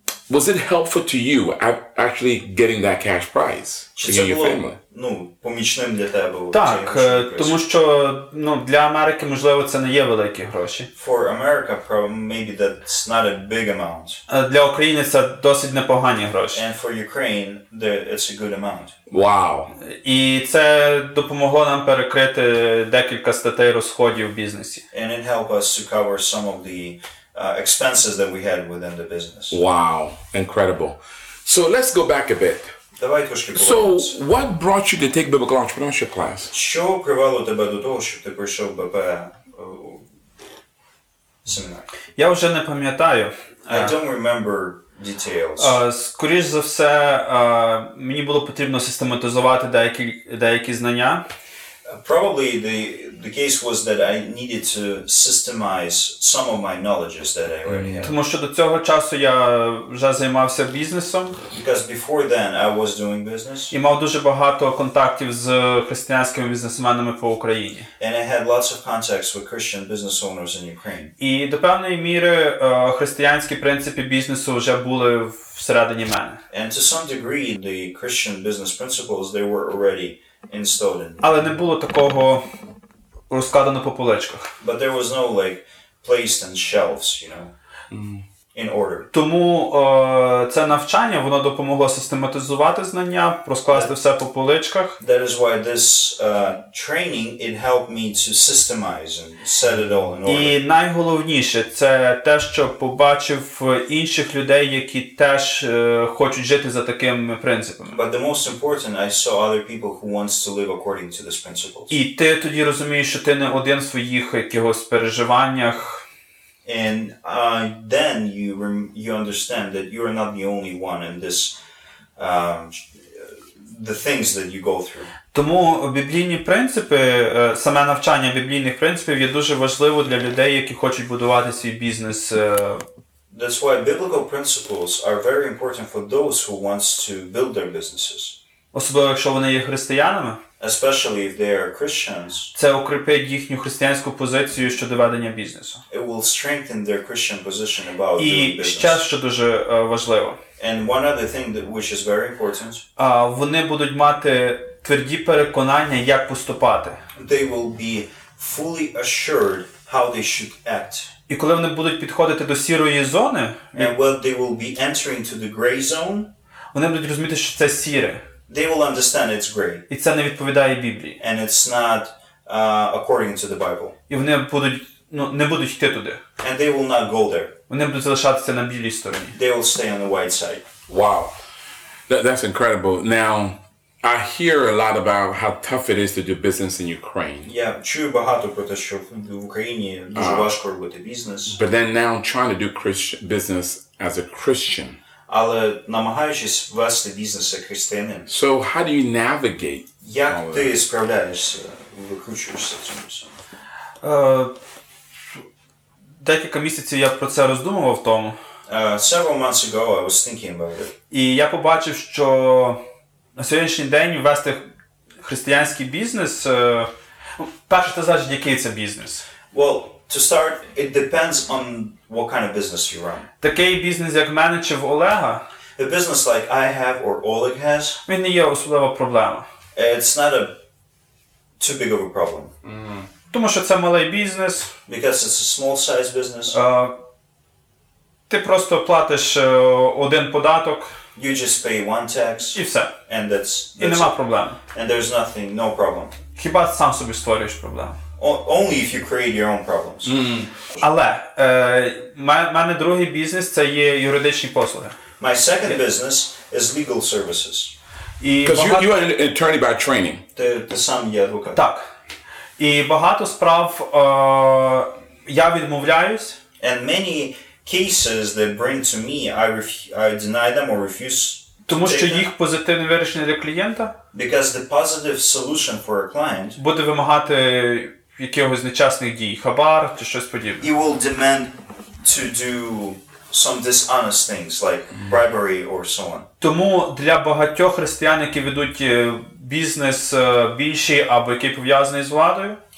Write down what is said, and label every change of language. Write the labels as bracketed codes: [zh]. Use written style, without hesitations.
[en] Was it helpful to you actually getting that cash prize to your family? [uk] Ну, помічним для тебе. Так, тому що, ну, для Америки, можливо, це не є великі гроші. [en] For America, maybe that's not a big amount. [uk] Для України це досить непогані гроші. [en] And for Ukraine, it's a good amount. Wow. [uk] І це допомогло нам перекрити декілька статей розходів в бізнесі. [en] And it helped us to cover some of the expenses that we had within the business. Wow, incredible. So let's go back a bit. [uk] Давай трошки поговоримо. [en] So, what brought you to take Biblical Entrepreneurship class? [uk] Що привело тебе до того, щоб ти прийшов БП-семінар? Я вже не пам'ятаю. [en] I don't remember details. [uk] Скоріше за все, мені було потрібно систематизувати деякі знання. [en] Probably the case was that I needed to systemize some of my knowledges that I already had. [uk] Тому що до цього часу я вже займався бізнесом. [en] Because before then I was doing business. [uk] І мав дуже багато контактів з християнськими бізнесменами по Україні. [en] And I had lots of contacts with Christian business owners in Ukraine. [uk] І до певної міри християнські принципи бізнесу вже були всередині мене. [en] And to some degree the Christian business principles they were already installed in. [uk] Але не було такого розкладено по поличках. [en] But there was no like placed on shelves, you know, in order. [uk] Тому це навчання, воно допомогло систематизувати знання, розкласти все по поличках. [en] That is why this training, it helped me to systemize and set it all in order. [uk] І найголовніше, це те, що побачив інших людей, які теж хочуть жити за такими принципами. [en] But the most important, I saw other people who wants to live according to these principles. [uk] І ти тоді розумієш, що ти не один в своїх якихось переживаннях. [en] And then you understand that you are not the only one in this the things that you go through. [uk] Тому біблійні принципи, саме навчання біблійних принципів є дуже важливо для людей, які хочуть будувати свій бізнес. [en] That's why biblical principles are very important for those who wants to build their businesses. [uk] Особливо, якщо вони є християнами. [en] Especially if they are Christians. [uk] Це укріпить їхню християнську позицію щодо ведення бізнесу. [en] It will strengthen their Christian position about doing business. [uk] І ще, що дуже важливо. [en] And one other thing that which is very important. [uk] Вони будуть мати тверді переконання, як поступати. [en] They will be fully assured how they should act. [uk] І коли вони будуть підходити до сірої зони, [en] and when they will be entering to the gray zone, [uk] вони будуть розуміти, що це сіре. [en] They will understand it's gray. [uk] І це не відповідає Біблії. [en] And it's not according to the Bible. [uk] І вони будуть, ну, не будуть йти туди. [en] And they will not go there. [uk] Вони будуть залишатися на білій стороні. [en] They will stay on the white side. Wow. That's incredible. Now, I hear a lot about how tough it is to do business in Ukraine. [uk] Yeah, чую багато про те, що в Україні дуже важко робити бізнес. [en] But then now trying to do business as a Christian. [uk] Але намагаючись вести бізнес як християнин. [en] So how do you navigate? [uk] Як ти справляєшся, викручуєшся цим? Декілька місяців я про це роздумував тому. [en] Several months ago I was thinking about it. [uk] І я побачив, що на сьогоднішній день вести християнський бізнес, перше та значить, який це бізнес. [en] Well, to start, it depends on what kind of business you run. [uk] Такий бізнес, як мене чи в Олега. [en] A business like I have or Oleg has. [uk] Він не є особлива проблема. [en] It's not a too big of a problem. [uk] Тому що це малий бізнес. [en] Because it's a small size business. [uk] Ти просто платиш один податок. [en] You just pay one tax. [uk] І все. [en] And that's [uk] і нема проблем. [en] And there's nothing, no problem. [uk] Хіба сам собі створюєш проблему? [en] only if you create your own problems. Mm. [uk] Але, мене другий бізнес – це є юридичні послуги. [en] My second business is legal services. Because you are an attorney by training. [uk] Ти сам є адвокат. Так. І багато справ я відмовляюсь. [en] And many cases they bring to me, I deny them or refuse. [uk] Тому що їх позитивне вирішення для клієнта? [en] Because the positive solution for a client [uk] буде вимагати якихось нечесних дій, хабар чи щось подібне. [en] He will demand to do some dishonest things like bribery or so on. [uk] Тому для багатьох християн, які ведуть бізнес більший або який пов'язаний з владою,